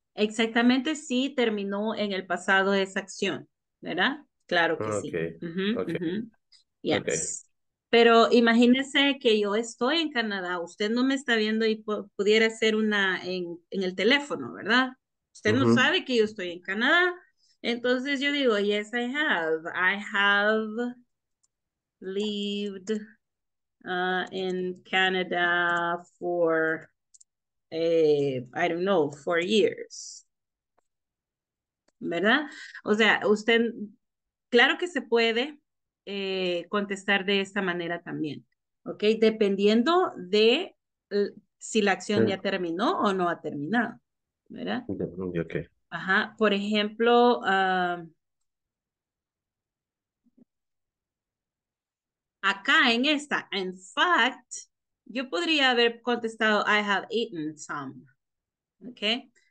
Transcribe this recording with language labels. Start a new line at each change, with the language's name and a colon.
Spanish: Exactamente, sí, terminó en el pasado de esa acción, ¿verdad? Claro que okay. sí. Mm-hmm. Okay. Mm-hmm. Yes. Okay. Pero imagínese que yo estoy en Canadá, usted no me está viendo y pudiera ser una en el teléfono, ¿verdad? Usted uh-huh. no sabe que yo estoy en Canadá. Entonces yo digo,
English: yes, I have lived in Canada for, I don't know, 4 years.
Spanish: ¿Verdad? O sea, usted, claro que se puede contestar de esta manera también, ¿ok? Dependiendo de si la acción sí. ya terminó o no ha terminado, ¿verdad? Ok. Ajá, por ejemplo, acá en esta,
English: in fact,
Spanish: yo podría haber contestado,
English: I have eaten some,
Spanish: ¿ok?